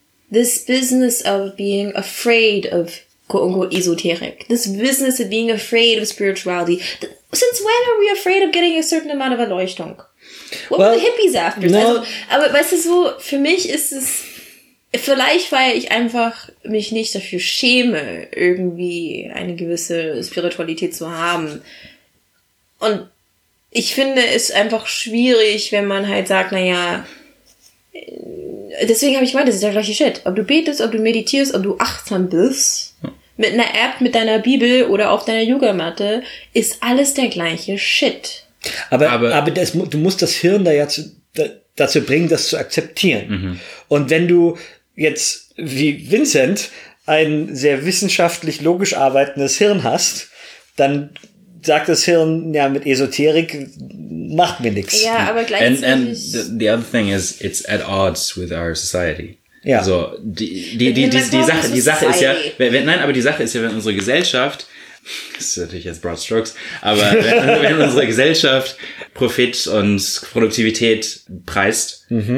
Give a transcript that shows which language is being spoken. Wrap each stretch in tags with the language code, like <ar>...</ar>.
<en>This business of being afraid of quote-unquote esoteric, this business of being afraid of spirituality. Since when are we afraid of getting a certain amount of Erleuchtung? What were the hippies after? No.</en> <de>Also, aber weißt du, so, für mich ist es, vielleicht weil ich einfach mich nicht dafür schäme, irgendwie eine gewisse Spiritualität zu haben. Und ich finde es einfach schwierig, wenn man halt sagt, naja, deswegen habe ich gemeint, das ist der gleiche Shit. Ob du betest, ob du meditierst, ob du achtsam bist, mit einer App, mit deiner Bibel oder auf deiner Yogamatte, ist alles der gleiche Shit. Aber das, du musst das Hirn dazu bringen, das zu akzeptieren. Mhm. Und wenn du jetzt wie Vincent ein sehr wissenschaftlich logisch arbeitendes Hirn hast, dann sagt das Hirn, ja, mit Esoterik macht mir nichts. Ja, aber gleichzeitig.</de> <en>And the other thing is, it's at odds with our society.</en> <de>Ja. So, die Sache ist ja, die Sache ist ja, wenn unsere Gesellschaft, das ist natürlich jetzt</de> <en>broad strokes,</en> <de>aber wenn unsere Gesellschaft Profit und Produktivität preist,</de>